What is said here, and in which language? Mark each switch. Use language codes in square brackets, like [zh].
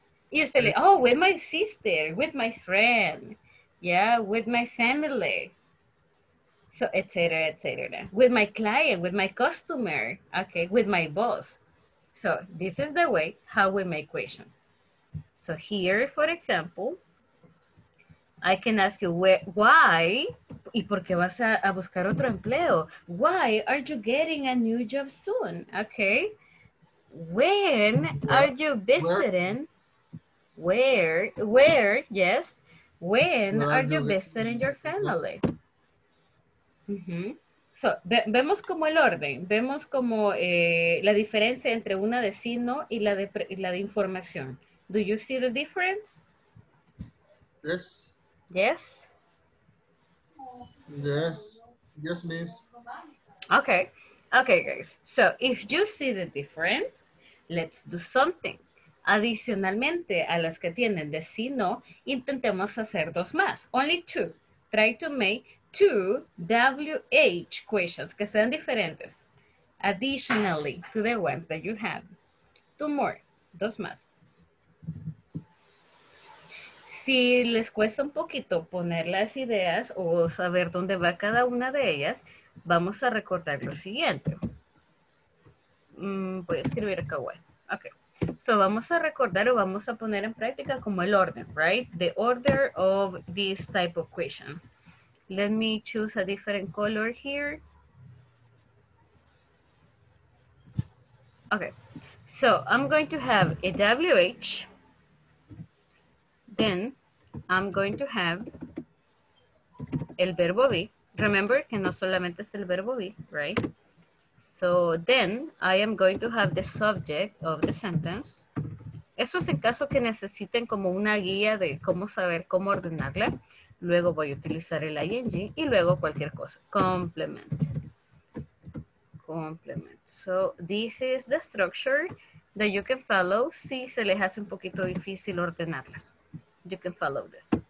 [es] Y usted le, [en] oh, with my sister, with my friend, yeah, with my family. So, etc., etc. With my client, with my customer, okay, with my boss. So, this is the way how we make questions. So, here, for example, I can ask you, why? [es] ¿Y por qué vas a buscar otro empleo? [en] Why are you getting a new job soon? Okay. When are you visiting? Where? Yes. When are you visiting your family? Mm-hmm. [es] So, vemos como el orden. Vemos como la diferencia entre una de sí, no, y la de información. [en] Do you see the difference? Yes. Yes. Yes. Yes, miss. Okay. Okay, guys. So, if you see the difference, let's do something. [es] Adicionalmente, a las que tienen de sí, no, intentemos hacer dos más. [en] Only two. Try to make two WH questions [es] que sean diferentes. [en] Additionally to the ones that you have. Two more. [es] Dos más. si les cuesta un poquito poner las ideas o saber dónde va cada una de ellas, vamos a recordar lo siguiente. Voy a escribir acá, bueno. Ok. So, vamos a recordar o vamos a poner en práctica como el orden, right? [en] The order of these type of questions. Let me choose a different color here. Okay. So, I'm going to have a WH. Then, I'm going to have [es] el verbo [en] be. Remember [es] que no solamente es el verbo [en] be, right? So, then, I am going to have the subject of the sentence. [es] Eso es en caso que necesiten como una guía de cómo saber cómo ordenarla. Luego voy a utilizar el ing y luego cualquier cosa. [en] Complement. Complement. So, this is the structure that you can follow [es] si se les hace un poquito difícil ordenarlas. [en] You can follow this.